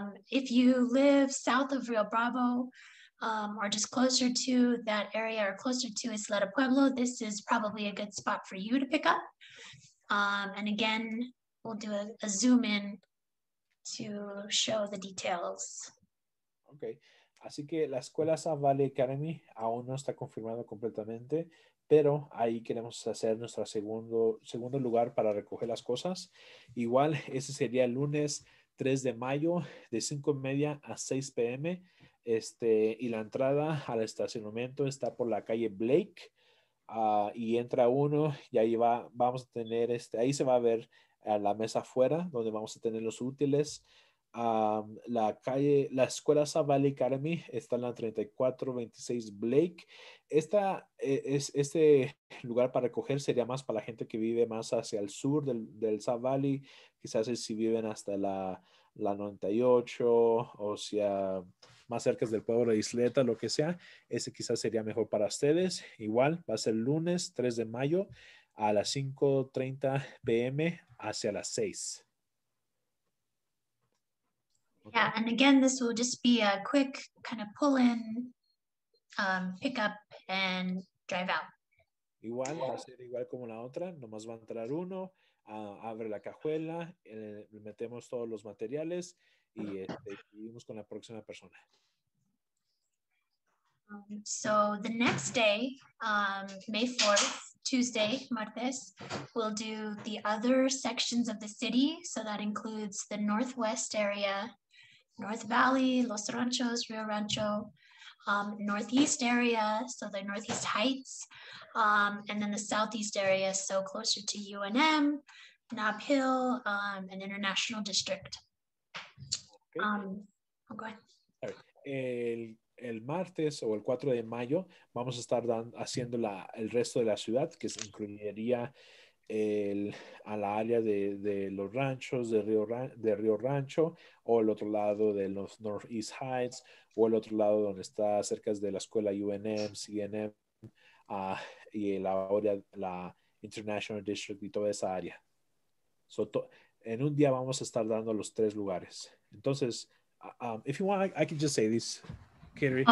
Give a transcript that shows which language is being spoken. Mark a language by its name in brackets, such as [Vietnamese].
[English] If you live south of Rio Bravo, or just closer to that area, or closer to Isleta Pueblo, this is probably a good spot for you to pick up. And again, we'll do a zoom in to show the details. [Spanish] Okay, así que la escuela South Valley Academy aún no está confirmado completamente, pero ahí queremos hacer nuestro segundo lugar para recoger las cosas. Igual, ese sería el lunes 3 de mayo de 5:30 a 6 p.m. Y la entrada al estacionamiento está por la calle Blake. Y entra uno y ahí va, vamos a tener, ahí se va a ver la mesa afuera donde vamos a tener los útiles. La escuela Savali Academy está en la 3426 Blake. Este lugar para recoger sería más para la gente que vive más hacia el sur del Savali, quizás si viven hasta la 98 o sea más cerca del pueblo de Isleta, lo que sea, ese quizás sería mejor para ustedes. Igual va a ser lunes 3 de mayo a las 5:30 p.m. hacia las 6. [English] Yeah, and again, this will just be a quick kind of pull in, pick up and drive out. [Spanish] Igual, va a ser igual como la otra, nomás va a entrar uno, abre la cajuela, metemos todos los materiales y seguimos con la próxima persona. [English] So the next day, May 4th, Tuesday, martes, we'll do the other sections of the city. So that includes the northwest area, North Valley, Los Ranchos, Rio Rancho, northeast area, so the Northeast Heights, and then the southeast area, so closer to UNM, Knob Hill, and International District. [Spanish] El martes o el 4 de mayo vamos a estar haciendo el resto de la ciudad, que se incluiría a la área de los ranchos de Rio Rancho, o el otro lado de los Northeast Heights, o el otro lado donde está cerca de la escuela UNM, CNM, y la International District y toda esa área. En un día vamos a estar dando los tres lugares. Entonces, [English] if you want, I can just say this, Kerry.